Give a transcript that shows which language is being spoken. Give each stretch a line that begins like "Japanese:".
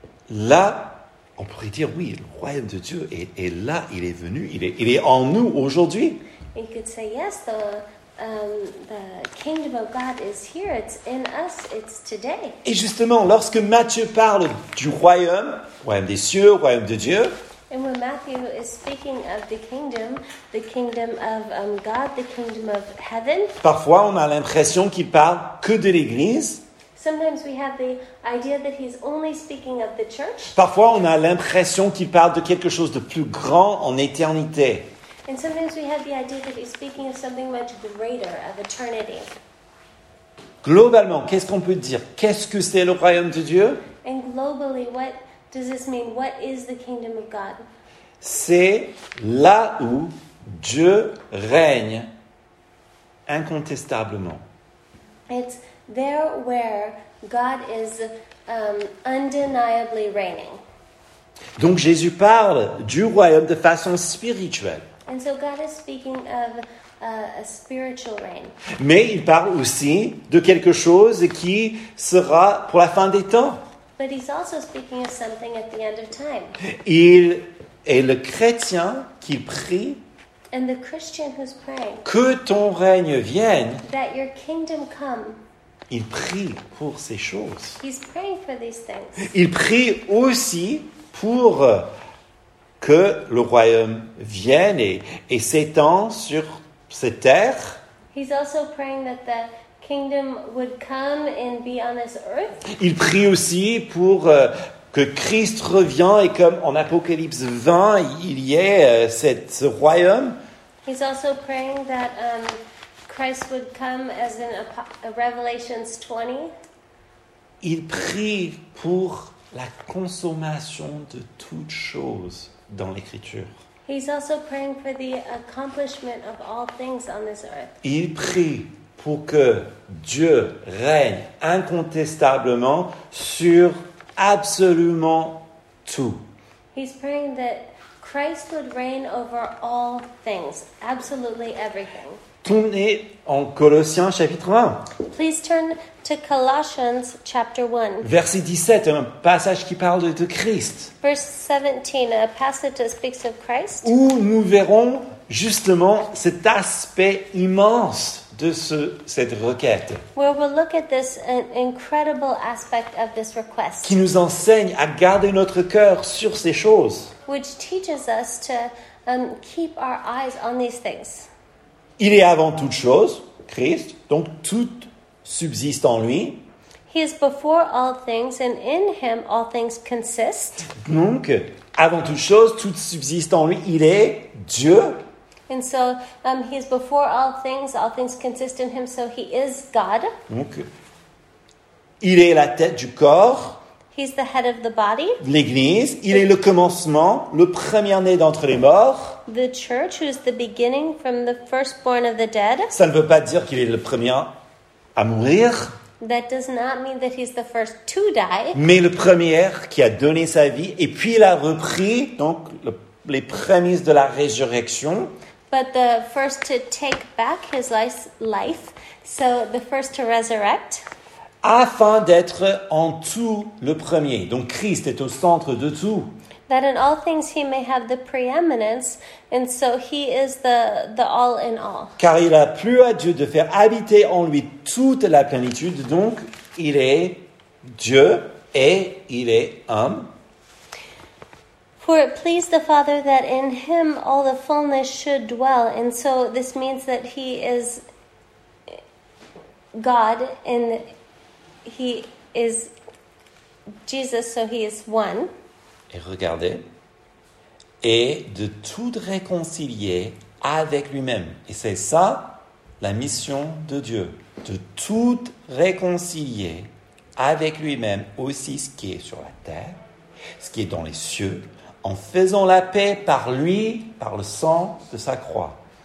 French: Là, on pourrait dire, oui, le royaume de Dieu est là, il est venu, il est en nous aujourd'hui.
English: You could say, yes, the kingdom of God is here, it's in us, it's today.
French: Et justement, lorsque Matthieu parle du royaume des cieux, royaume de Dieu,
English: And when Matthew is speaking of the kingdom of God, the kingdom of heaven.
French: Parfois, on a l'impression qu'il parle que de l'Église.
English: Sometimes we have the idea that he's only speaking of the church.
French: Parfois, on a l'impression qu'il parle de quelque chose de plus grand en éternité.
English: And sometimes we have the idea that he's speaking of something much greater, of eternity.
French: Globalement, qu'est-ce qu'on peut dire? Qu'est-ce que c'est le royaume de Dieu?
English: And globally, what does this mean? What is the kingdom of God?
French: C'est là où Dieu règne incontestablement.
English: It's there where God is undeniably reigning.
French: Donc Jésus parle du royaume de façon spirituelle.
English: And so God is speaking of a spiritual reign.
French: Mais il parle aussi de quelque chose qui sera pour la fin des temps.
English: But he's also speaking of something at the end of time.
French: Il est le chrétien qui prie.
English: And the Christian who's praying.
French: Que ton règne vienne.
English: That your kingdom come.
French: Il prie pour ces choses.
English: He's praying for these things.
French: Il prie aussi pour que le royaume vienne et s'étend sur cette terre.
English: He's also praying that the kingdom would come and be on this earth.
French: Il prie aussi pour que Christ revienne et comme en Apocalypse 20, il y ait ce royaume.
English: He's also praying that Christ would come as in Revelation 20.
French: Il prie pour la consommation de toutes choses dans l'Écriture.
English: He's also praying for the accomplishment of all things on this earth.
French: Il prie pour que Dieu règne incontestablement sur absolument tout.
English: He's praying that Christ would reign over all things, absolutely everything.
French: Tournez en Colossiens chapitre 1.
English: Please turn to Colossians chapter 1.
French: Verset 17, un passage qui parle de Christ.
English: Verse 17, a passage that speaks of Christ.
French: Où nous verrons justement cet aspect immense de cette requête.
English: Where we'll look at this incredible aspect of this request.
French: Qui nous enseigne à garder notre cœur sur ces choses.
English: Which teaches us to keep our eyes on these things.
French: Il est avant toute chose, Christ, donc tout subsiste en lui.
English: He is before all things, and in him all things consist.
French: Donc, avant toute chose, tout subsiste en lui, il est Dieu.
English: And so, he is before all things consist in him, so he is God.
French: Donc, il est la tête du corps.
English: He's the head of the body.
French: L'Église, il est le commencement, le premier-né d'entre les morts.
English: The church, who is the beginning from the firstborn of the dead.
French: Ça ne veut pas dire qu'il est le premier à mourir.
English: That does not mean that he's the first to die.
French: Mais le premier qui a donné sa vie et puis il a repris, donc les prémices de la résurrection.
English: But the first to take back his life, so the first to resurrect.
French: Afin d'être en tout le premier. Donc Christ est au centre de tout.
English: That in all things he may have the preeminence, and so he is the all in all.
French: Car il a plu à Dieu de faire habiter en lui toute la plénitude, donc il est Dieu et il est homme.
English: For it pleased the Father that in him all the fullness should dwell, and so this means that he is God and he is Jesus, so he is one.
French: Et regardez, et de tout réconcilier avec lui-même. Et c'est ça la mission de Dieu, de tout réconcilier avec lui-même aussi ce qui est sur la terre, ce qui est dans les cieux, en faisant la paix par lui, par le sang de sa croix.